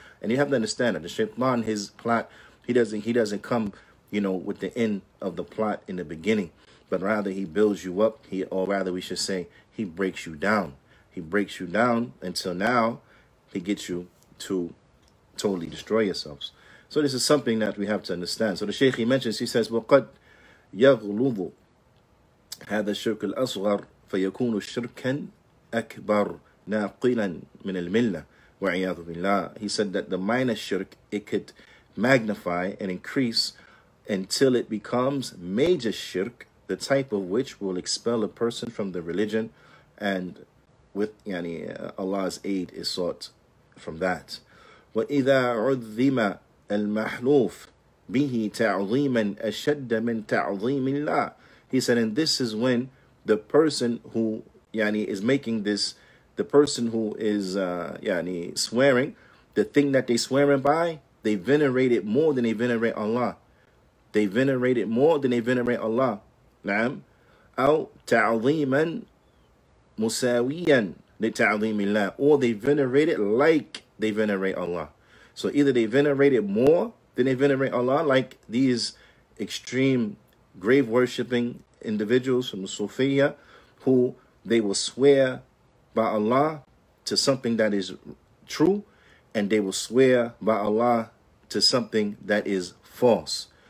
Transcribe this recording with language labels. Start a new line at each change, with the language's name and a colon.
English: And you have to understand that the shaitan, his plot, he doesn't come, you know, with the end of the plot in the beginning, but rather he builds you up, he breaks you down. He breaks you down until now he gets you to totally destroy yourselves. So this is something that we have to understand. So the Shaykh, he mentions, he says,
Arabic: وَقَدْ يَغْلُوبُ هَذَا الشِّرْكُ الْأَصْغَرُ فَيَكُونُ شِرْكًا أَكْبَرُ نَاقِلًا مِنَ الْمِلَّةِ وَعِيَاذُ بِاللَّهِ.
English: He said that the minor shirk, it could magnify and increase until it becomes major shirk, the type of which will expel a person from the religion, and with Allah's aid is sought from that.
Arabic: وَإِذَا عُذِّمَ المحلوف به تعظيما أشد من تعظيم الله.
English: He said, and this is when the person who is making this, the person who is swearing, the thing that they swearing by, they venerate it more than they venerate Allah. They venerate it more than they venerate Allah.
Arabic: نعم. أو تعظيما مساويا لتعظيم الله.
English: Or they venerate it like they venerate Allah. So either they venerate it more than they venerate Allah, like these extreme grave-worshipping individuals from the Sufiyya, who they will swear by Allah to something that is true, and they will swear by Allah to something that is false.